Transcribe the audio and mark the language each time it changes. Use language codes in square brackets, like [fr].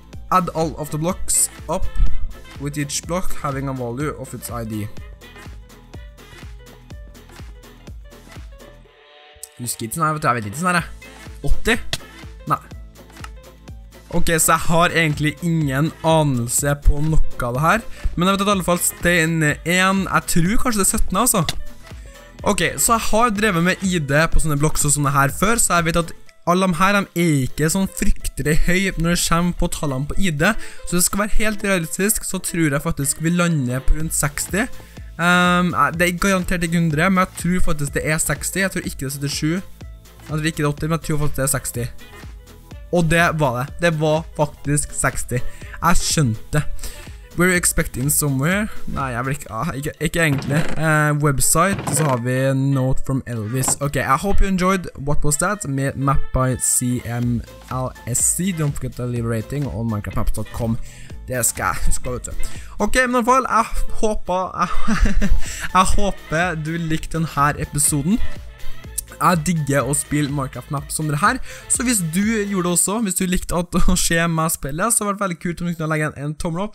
[en] Add all of the blocks up with each block having a value of its ID. [no] Husker ikke sånn her, vet du, jeg vet ikke sånn her, jeg. 80? Nei. Ok, så jeg har egentlig ingen anelse på noe av det her. Men jeg vet at i alle fall det er en 1, jeg tror kanskje det er 17, altså. Ok, så jeg har drevet med ID på sånne blokks og sånne her før, så jeg vet at alle de her, de er ikke sånn fryktelig høy når det kommer på tallene på ID. Så det skal være helt realistisk, så tror jeg faktisk vi lander på rundt 60. Det er garantert ikke 100, men jeg tror faktisk det er 60, jeg tror ikke det er 77. Jeg tror ikke det er 80, men jeg tror faktisk det er 60. Og det var det, det var faktisk 60. Jeg skjønte. [en] Were you expecting somewhere? [no] Nei, jeg vil ikke, ikke egentlig. Website, så har vi note from Elvis. [en] Ok, I hope you enjoyed what was that, med map by CMLSC. Don't forget to leave a rating on minecraftmaps.com. [no] Det skal jeg huske av, vet du. Ok, men i alle fall, jeg håper du likte denne episoden. Jeg digger å spille Minecraft Map som dette her. Så hvis du gjorde det også, hvis du likte at å se meg spille, så var det veldig kult om du kunne legge en tommel opp.